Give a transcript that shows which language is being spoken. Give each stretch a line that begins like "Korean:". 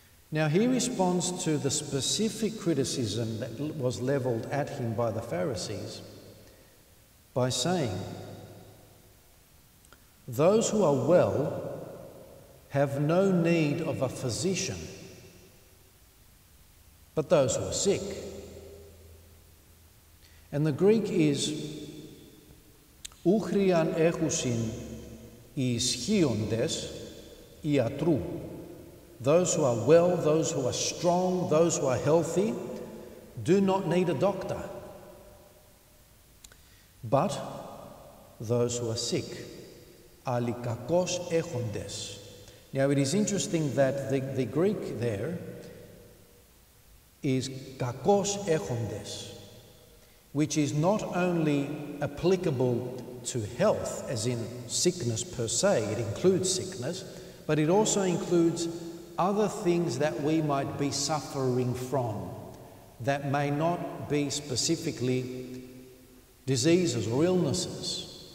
English: Now he responds to the specific criticism that was leveled at him by the Pharisees by saying, "Those who are well have no need of a physician, but those who are sick." And the Greek is
Greek: "ούχριαν έχουσιν ισχύοντες ιατρού."
English: Those who are well, those who are strong, those who are healthy, do not need a doctor. But those who are sick,
Greek: αλικακός έχοντες.
English: Now it is interesting that the Greek there is
Greek: κακός έχοντες,
English: which is not only applicable to health, as in sickness per se, it includes sickness, but it also includes other things that we might be suffering from that may not be specifically diseases or illnesses.